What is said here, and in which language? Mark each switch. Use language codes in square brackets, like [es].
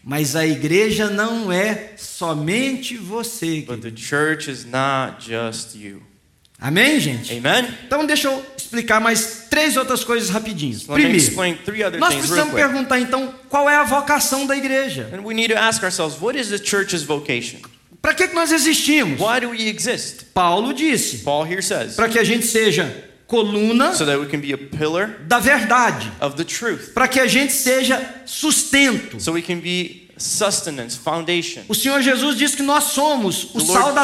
[pt] Mas a igreja não é somente você. [en] But the church is not just you. [pt] Amém, gente? [en] Amen? [pt] Então deixa eu explicar mais três outras coisas rapidinho. [en] So [pt] primeiro, [en] explain three other [pt] nós precisamos perguntar então qual é a vocação da igreja. [en] And we need to ask ourselves, what is the church's vocation? [pt] Para que nós existimos? [en] Why do we exist? [pt] Paulo disse. [en] Paul here says. [pt] Para que a gente seja coluna. [en] So that we can be a pillar. [pt] Da verdade. [en] Of the truth. [pt] Para que a gente seja sustento. [en] So we can be sustenance, foundation. [pt] O Senhor Jesus disse que nós somos o sal da terra.